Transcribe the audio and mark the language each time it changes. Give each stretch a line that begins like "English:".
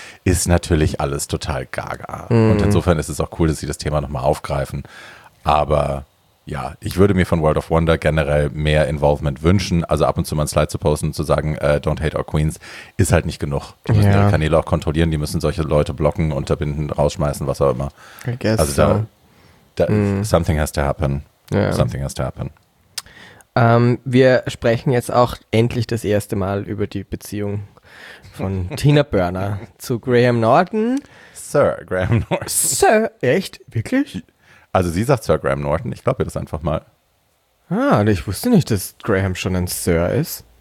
German: Das ist natürlich alles total gaga. Und insofern ist es auch cool, dass sie das Thema nochmal aufgreifen. Aber ja, ich würde mir von World of Wonder generell mehr Involvement wünschen. Also ab und zu mal ein Slide zu posten und zu sagen,
English: don't hate our queens,
German: ist halt nicht genug. Die müssen ihre Kanäle auch kontrollieren, die müssen solche Leute blocken, unterbinden, rausschmeißen, was auch immer.
English: I guess also something has to happen. Yeah. Something has to happen.
German: Wir sprechen jetzt auch endlich das erste Mal über die Beziehung von Tina Burner zu Graham Norton. Sir Graham Norton. Sir, echt? Wirklich? Also sie sagt Sir Graham Norton, ich glaube ihr das einfach mal. Ah, ich wusste nicht, dass Graham schon ein Sir ist.